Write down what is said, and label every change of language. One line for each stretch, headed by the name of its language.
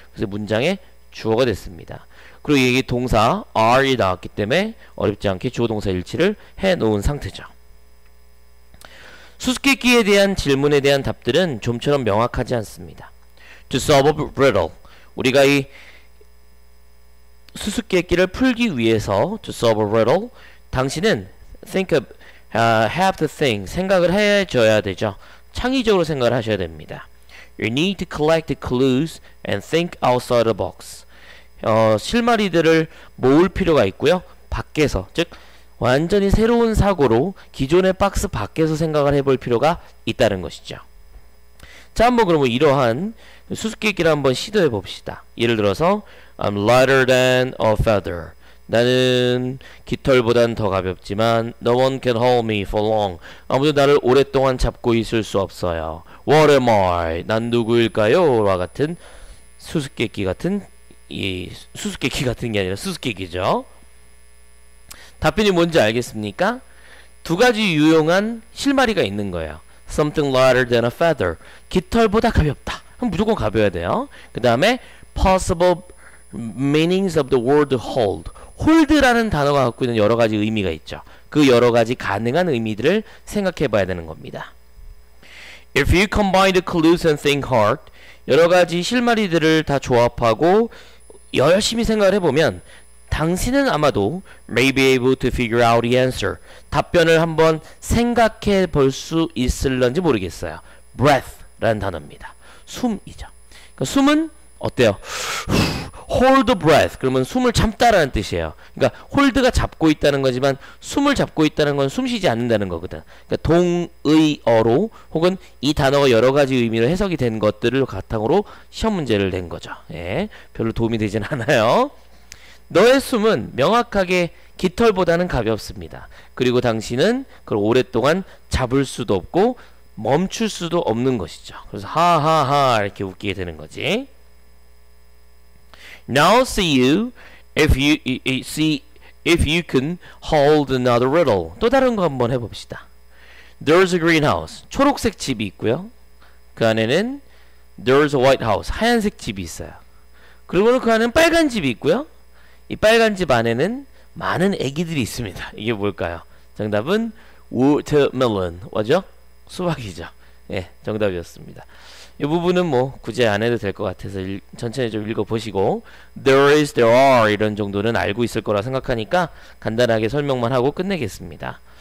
Korean: 그래서 문장에 주어가 됐습니다. 그리고 여기 동사 are이 나왔기 때문에 어렵지 않게 주어 동사 일치를 해 놓은 상태죠. 수수께끼에 대한 질문에 대한 답들은 좀처럼 명확하지 않습니다.
English: To solve a riddle.
Korean: 우리가 이 수수께끼를 풀기 위해서
English: to solve a riddle.
Korean: 당신은
English: have to think.
Korean: 생각을 해줘야 되죠. 창의적으로 생각을 하셔야 됩니다.
English: You need to collect clues and think outside the box.
Korean: 실마리들을 모을 필요가 있고요. 밖에서, 즉 완전히 새로운 사고로 기존의 박스 밖에서 생각을 해볼 필요가 있다는 것이죠. 자, 한번 그러면 이러한 수수께끼를 한번 시도해 봅시다. 예를 들어서
English: I'm lighter than a feather.
Korean: 나는 깃털보단 더 가볍지만
English: No one can hold me for long.
Korean: 아무도 나를 오랫동안 잡고 있을 수 없어요.
English: What am I?
Korean: 난 누구일까요? 와 같은 수수께끼 같은 이 수수께끼 같은 게 아니라 수수께끼죠. 답변이 뭔지 알겠습니까? 두 가지 유용한 실마리가 있는 거예요.
English: Something lighter than a feather.
Korean: 깃털보다 가볍다. 그럼 무조건 가벼워야 돼요. 그 다음에
English: possible meanings of the word hold.
Korean: hold라는 단어가 갖고 있는 여러 가지 의미가 있죠. 그 여러 가지 가능한 의미들을 생각해 봐야 되는 겁니다.
English: If you combine the clues and think hard,
Korean: 여러 가지 실마리들을 다 조합하고 열심히 생각을 해보면 당신은 아마도
English: may be able to figure out the answer.
Korean: 답변을 한번 생각해 볼수 있을런지 모르겠어요. breath라는 단어입니다. 숨이죠. 그러니까 숨은 어때요?
English: hold breath.
Korean: 그러면 숨을 참다라는 뜻이에요. 그러니까 hold가 잡고 있다는 거지만 숨을 잡고 있다는 건숨 쉬지 않는다는 거거든. 그러니까 동의어로 혹은 이 단어가 여러 가지 의미로 해석이 된 것들을 바탕으로 시험 문제를 낸 거죠. 예. 별로 도움이 되진 않아요. 너의 숨은 명확하게 깃털보다는 가볍습니다. 그리고 당신은 그걸 오랫동안 잡을 수도 없고 멈출 수도 없는 것이죠. 그래서 하하하 이렇게 웃기게 되는 거지.
English: Now see you if you can hold another riddle.
Korean: 또 다른 거 한번 해봅시다.
English: There's a greenhouse.
Korean: 초록색 집이 있고요. 그 안에는
English: There's a white house.
Korean: 하얀색 집이 있어요. 그리고는 그 안에는 빨간 집이 있고요. 이 빨간 집 안에는 많은 애기들이 있습니다. 이게 뭘까요? 정답은 watermelon, 맞죠? 수박이죠. 예, 정답이었습니다. 이 부분은 뭐 굳이 안 해도 될 것 같아서 천천히 좀 읽어보시고 there is, there are 이런 정도는 알고 있을 거라 생각하니까 간단하게 설명만 하고 끝내겠습니다.